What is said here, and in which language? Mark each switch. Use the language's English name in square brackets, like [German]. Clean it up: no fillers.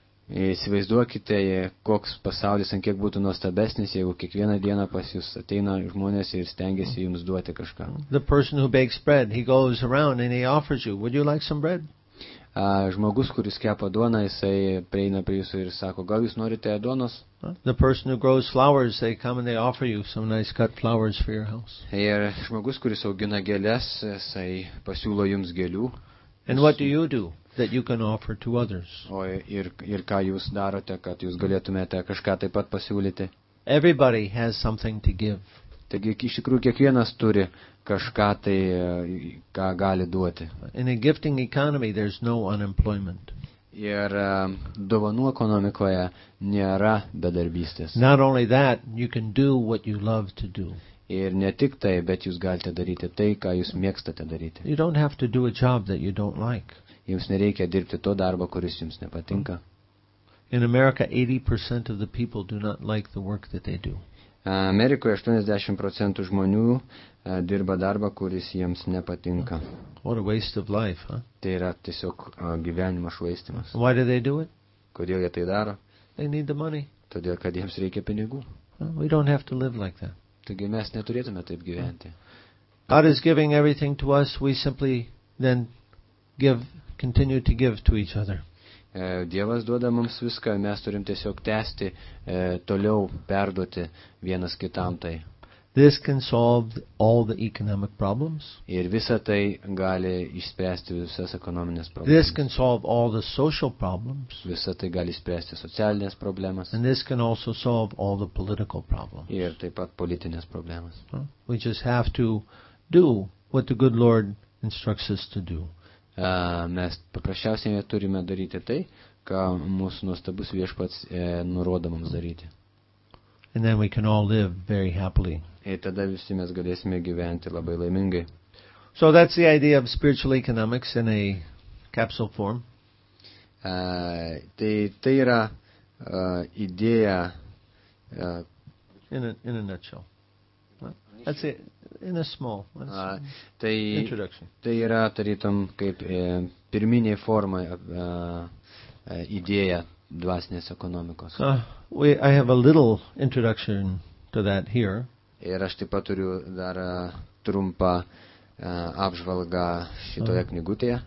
[Lithuanian] Įsivaizduokite, koks pasaulis, ant kiek būtų nuostabesnis, jeigu kiekvieną dieną pas jūs ateina žmonės ir stengiasi jums duoti kažką. [English] The person who bakes bread, he goes around and he offers you, would you like some bread? [Lithuanian] Žmogus, kuris kepa duoną, jisai prieina prie jūsų ir sako, gal jūs norite duonos? [English] The person who grows flowers, they come and they offer you some nice cut flowers for your house. [Lithuanian] Ir žmogus, kuris augina gėles, jisai pasiūlo jums gėlių. [English] And what do you do that you can offer to others? [Lithuanian] Ir ką jūs darote, kad jūs galėtumėte kažką taip pat pasiūlyti? [English] Everybody has something to give. [Lithuanian] Taigi, iš tikrųjų, kiekvienas turi kažką tai, ką gali duoti. [English] In a gifting economy, there's no unemployment. [Lithuanian] Ir dovanų ekonomikoje nėra bedarbystės. [English] Not only that, you can do what you love to do. [Lithuanian] Ir ne tik tai, bet jūs galite daryti tai, ką jūs mėgstate daryti. [English] You don't have to do a job that you don't like. [Lithuanian] Jums nereikia dirbti to darbo, kuris jums nepatinka. [English] In America, 80% of the people do not like the work that they do. [Lithuanian] Amerikoje 80% žmonių dirba darbą, kuris jiems nepatinka. [English] What a waste of life, huh? [Lithuanian] Tai yra tiesiog gyvenimo švaistimas. [English] Why do they do it? [Lithuanian] Kodėl jie tai daro? [English] They need the money. [Lithuanian] Todėl, kad jiems reikia pinigų. [English] We don't have to live like that. [Lithuanian] Taigi mes neturėtume taip gyventi. [English] God is giving everything to us, we simply then continue to give to each other. [Lithuanian] Dievas duoda mums viską, mes turim tiesiog tęsti, toliau perduoti vienas kitam tai. [English] This can solve all the economic problems. [Lithuanian] Ir visa tai gali išspręsti visas ekonomines problemas. [English] This can solve all the social problems. [Lithuanian] Visa tai gali išspręsti socialines problemas. [English] And this can also solve all the political problems. [Lithuanian] Ir taip pat politinės problemas. [English] We just have to do what the good Lord instructs us to do. [Lithuanian] Mes paprasčiausiai turime daryti tai, ką mūsų nuostabus viešpats nurodo mums daryti. [English] And then we can all live very happily. [Lithuanian] Ir tada visi mes galėsime gyventi labai laimingai. [English] So that's the idea of spiritual economics in a capsule form. [Lithuanian] Tai yra idėja [English] in a nutshell. That's it. In a small introduction. [Lithuanian] Tai yra tarytum kaip pirminė forma idėja dvasinės ekonomikos. [English] I have a little introduction to that here. [Lithuanian] Ir aš taip pat turiu dar trumpą apžvalgą šitoje knygutėje.